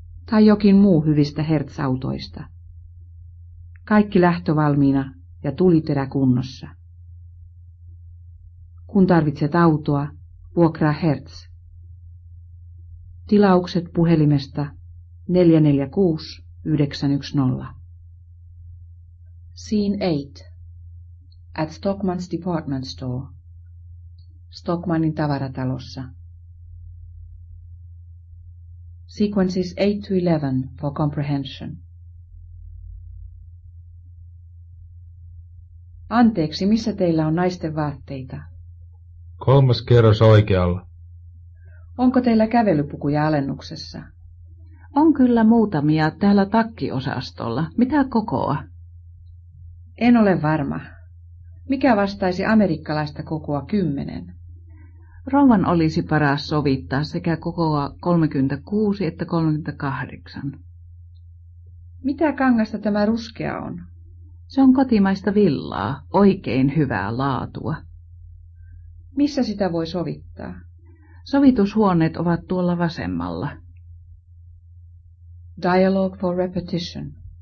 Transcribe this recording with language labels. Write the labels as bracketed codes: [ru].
[fi] Tai jokin muu hyvistä Hertz-autoista. Kaikki lähtövalmiina ja tuliterä kunnossa. Kun tarvitset autoa, vuokraa Hertz. Tilaukset puhelimesta 446910. [en] Scene 8. At Stockman's Department Store. [fi] Stockmannin tavaratalossa. [en] Sequences 8 to 11 for comprehension. [fi] Anteeksi, missä teillä on naisten vaatteita? Kolmas kerros oikealla. Onko teillä kävelypukuja alennuksessa? On kyllä muutamia täällä takkiosastolla. Mitä kokoa? En ole varma. Mikä vastaisi amerikkalaista kokoa 10? Rouvan olisi paras sovittaa sekä kokoa 36 että 38. Mitä kangasta tämä ruskea on? Se on kotimaista villaa, oikein hyvää laatua. Missä sitä voi sovittaa? Sovitushuoneet ovat tuolla vasemmalla. [en] Dialogue for repetition.